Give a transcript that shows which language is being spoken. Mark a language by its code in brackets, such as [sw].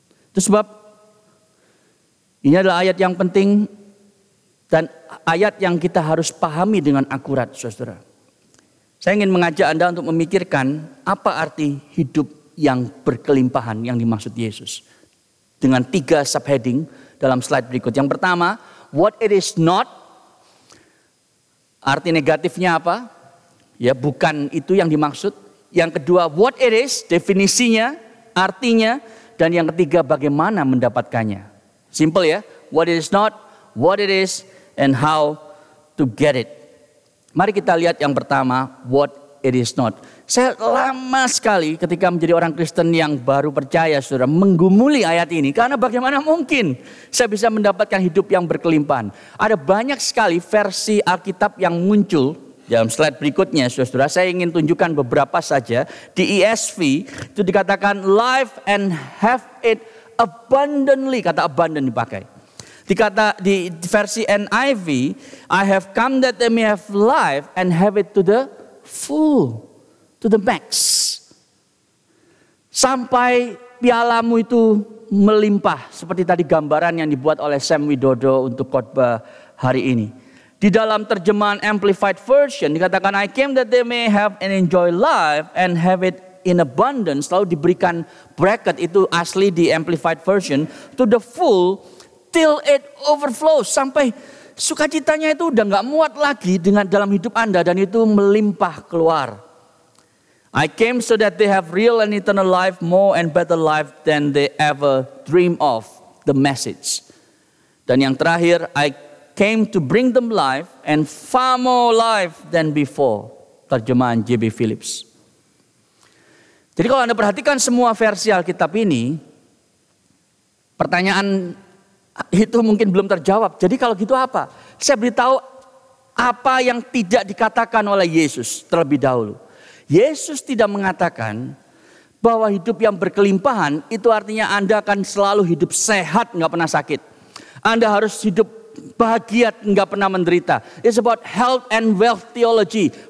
[id] Itu sebab ini adalah ayat yang penting dan ayat yang kita harus pahami dengan akurat, saudara. Saya ingin mengajak Anda untuk memikirkan apa arti hidup yang berkelimpahan yang dimaksud Yesus. Dengan tiga subheading dalam slide berikut. Yang pertama, [en] what it is not. [id] Arti negatifnya apa? Ya, bukan itu yang dimaksud. Yang kedua, [en] what it is, [id] definisinya, artinya. Dan yang ketiga, bagaimana mendapatkannya. Simple ya, [en] what it is not, what it is, and how to get it. [id] Mari kita lihat yang pertama, [en] what it is not. [id] Saya lama sekali ketika menjadi orang Kristen yang baru percaya, saudara, menggumuli ayat ini. Karena bagaimana mungkin saya bisa mendapatkan hidup yang berkelimpahan. Ada banyak sekali versi Alkitab yang muncul dalam slide berikutnya, saudara. Saya ingin tunjukkan beberapa saja. Di ESV itu dikatakan [en] life and have it abundantly, [id] kata abundant dipakai. Dikata di versi NIV, [en] I have come that they may have life and have it to the full, to the max. [id] Sampai pialamu itu melimpah, seperti tadi gambaran yang dibuat oleh Sam Widodo untuk khotbah hari ini. Di dalam terjemahan Amplified Version dikatakan, [en] I came that they may have and enjoy life and have it in abundance. [id] Lalu diberikan bracket, itu asli di Amplified Version, [en] to the full. Till it overflows, [id] sampai sukacitanya itu udah gak muat lagi dengan dalam hidup Anda dan itu melimpah keluar. [en] I came so that they have real and eternal life, more and better life than they ever dream of, the message. [id] Dan yang terakhir, [en] I came to bring them life and far more life than before, [id] terjemahan J.B. Phillips. Jadi kalau Anda perhatikan semua versi Alkitab ini, pertanyaan itu mungkin belum terjawab. Jadi kalau gitu apa? Saya beritahu apa yang tidak dikatakan oleh Yesus terlebih dahulu. Yesus tidak mengatakan bahwa hidup yang berkelimpahan itu artinya Anda akan selalu hidup sehat, gak pernah sakit. Anda harus hidup bahagia, gak pernah menderita. [en] It's about health and wealth theology.